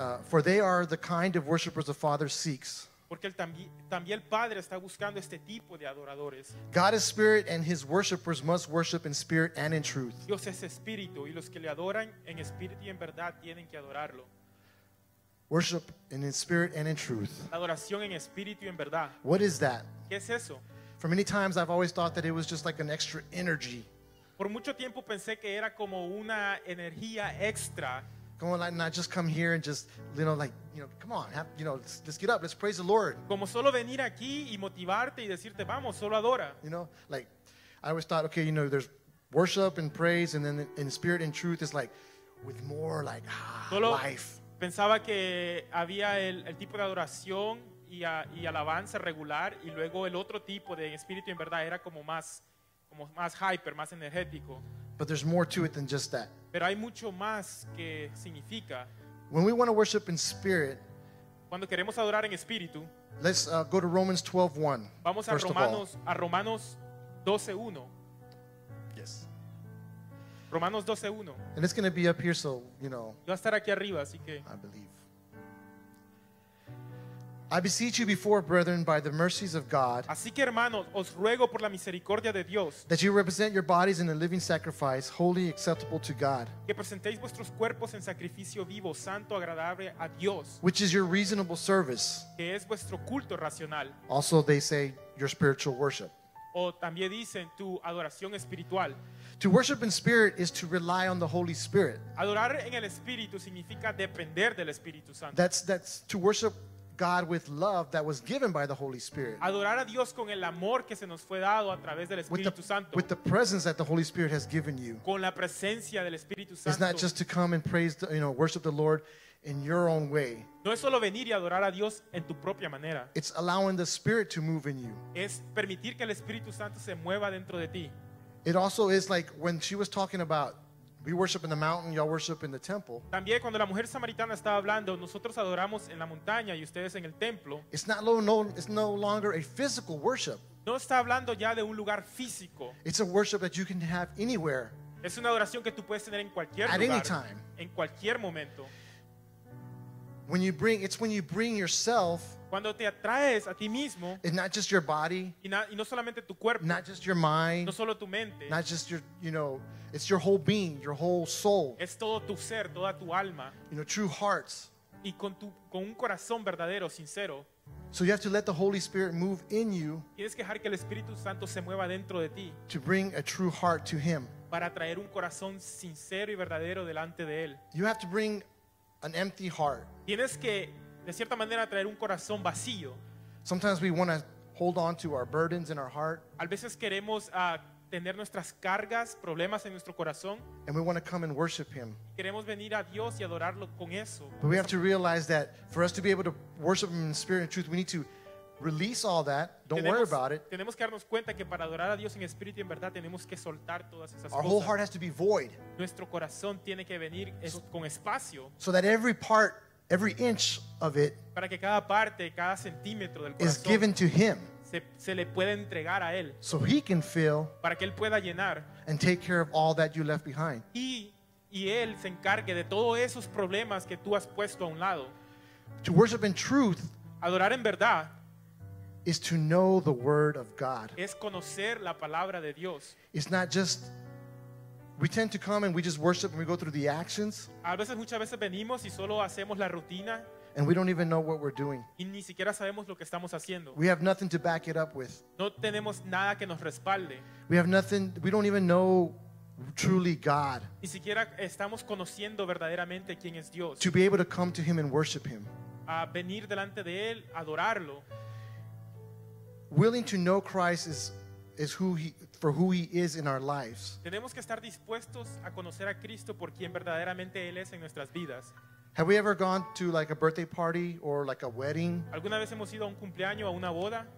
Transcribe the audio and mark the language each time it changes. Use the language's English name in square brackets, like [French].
[English] For they are the kind of worshipers the Father seeks. [Spanish] Porque también el Padre está buscando este tipo de adoradores. [English] God is spirit and his worshipers must worship in spirit and in truth. [Spanish] Dios es espíritu y los que le adoran en espíritu y en verdad tienen que adorarlo. [English] Worship in spirit and in truth. [Spanish] Adoración en espíritu y en verdad. [English] What is that? [Spanish] ¿Qué es eso? [English] For many times I've always thought that it was just like an extra energy. [Spanish] Por mucho tiempo pensé que era como una energía extra. [English] Come on, not just come here and just, you know, like, you know, come on, have, you know, let's get up, let's praise the Lord. [Spanish] Como solo venir aquí y motivarte y decirte, vamos, solo adora. [English] You know, like, I always thought, okay, you know, there's worship and praise, and then in spirit and truth is like, with more, like, life. [Spanish] Pensaba que había el tipo de adoración y alabanza regular, y luego el otro tipo de espíritu en verdad era como más hyper, más energético. [English] But there's more to it than just that. [Spanish] Pero hay mucho más que significa. [English] When we want to worship in spirit, [Spanish] cuando queremos adorar en espíritu, [English] let's go to Romans 12:1. [Spanish] Vamos a Romanos 12:1. [English] Yes. [Spanish] Romanos 12:1. [English] And it's going to be up here, so you know. [Spanish] Va a estar aquí arriba, así que. [English] I believe. I beseech you before, brethren, by the mercies of God, [Spanish] así que, hermanos, os ruego por la misericordia de Dios, [English] that you represent your bodies in a living sacrifice, holy, acceptable to God, [Spanish] que presentéis vuestros cuerpos en sacrificio vivo, santo, agradable a Dios, [English] which is your reasonable service, [Spanish] que es vuestro culto racional. [English] Also, they say, your spiritual worship. [Spanish] O también dicen, tu adoración espiritual. [English] To worship in spirit is to rely on the Holy Spirit. [Spanish] Adorar en el Espíritu significa depender del Espíritu Santo. [English] That's to worship God with love that was given by the Holy Spirit. [Spanish] Adorar a Dios con el amor que se nos fue dado a través del Espíritu Santo. [English] With the presence that the Holy Spirit has given you. [Spanish] Con la presencia del Espíritu Santo. [English] It's not just to come and praise, the, you know, worship the Lord in your own way. [Spanish] No es solo venir y adorar a Dios en tu propia manera. [English] It's allowing the Spirit to move in you. [Spanish] Es permitir que el Espíritu Santo se mueva dentro de ti. [English] It also is like when she was talking about we worship in the mountain, y'all worship in the temple. [Spanish] También cuando la mujer samaritana estaba hablando, nosotros adoramos en la montaña y ustedes en el templo. [English] It's no longer a physical worship. [Spanish] No está hablando ya de un lugar físico. [English] It's a worship that you can have anywhere. [Spanish] Es una adoración que tú puedes tener en cualquier lugar. [English] At any time. [Spanish] En cualquier momento. [English] When you bring, it's when you bring yourself. [Spanish] Cuando te atraes a ti mismo. [English] And not just your body. [Spanish] Y no solamente tu cuerpo. [English] Not just your mind. [Spanish] No solo tu mente. [English] Not just your, you know, it's your whole being, your whole soul. [Spanish] Es todo tu ser, toda tu alma. [English] You know, true hearts. [Spanish] Y con un corazón verdadero, sincero. [English] So you have to let the Holy Spirit move in you. [Spanish] Tienes que dejar que el Espíritu Santo se mueva dentro de ti. [English] To bring a true heart to Him. [Spanish] Para traer un corazón sincero y verdadero delante de Él. [English] You have to bring an empty heart. [Spanish] Tienes que, de cierta manera, traer un corazón vacío. [English] Sometimes we want to hold on to our burdens in our heart. [Spanish] A veces queremos tener nuestras cargas, problemas en nuestro corazón. [English] And we want to come and worship Him. [Spanish] Queremos venir a Dios y adorarlo con eso. [English] But we have to realize that for us to be able to worship Him in spirit and truth, we need to release all that. Don't worry about it. [Spanish] Tenemos que darnos cuenta que para adorar a Dios en espíritu y en verdad tenemos que soltar todas esas [English] our [Spanish] cosas. [English] Our whole heart has to be void. [Spanish] Nuestro corazón tiene que venir con espacio. [English] So that every part, every inch of it, [Spanish] para que cada parte, cada centímetro del corazón, [English] is given to Him. [Spanish] Se le puede entregar a Él. [English] So He can fill, [Spanish] para que Él pueda llenar, [English] and take care of all that you left behind. [Spanish] Y Él se encargue de todos esos problemas que tú has puesto a un lado. [English] To worship in truth, [Spanish] adorar en verdad, [English] is to know the Word of God. [Spanish] Es conocer la palabra de Dios. [English] It's not just, we tend to come and we just worship and we go through the actions. [Spanish] A veces, muchas veces venimos y solo hacemos la rutina. [English] And we don't even know what we're doing. [Spanish] Y ni siquiera sabemos lo que estamos haciendo. [English] We have nothing to back it up with. [Spanish] No tenemos nada que nos respalde. [English] We have nothing, we don't even know truly God. [Spanish] Ni siquiera estamos conociendo verdaderamente quién es Dios. [English] To be able to come to Him and worship Him. [Spanish] A venir delante de Él, adorarlo. [English] Willing to know Christ is who He for who He is in our lives. [Spanish] Tenemos que estar dispuestos a conocer a Cristo por quien verdaderamente Él es en nuestras vidas. [English] Have we ever gone to like a birthday party or like a wedding? [Spanish] ¿Alguna vez hemos ido a un cumpleaños o a una boda?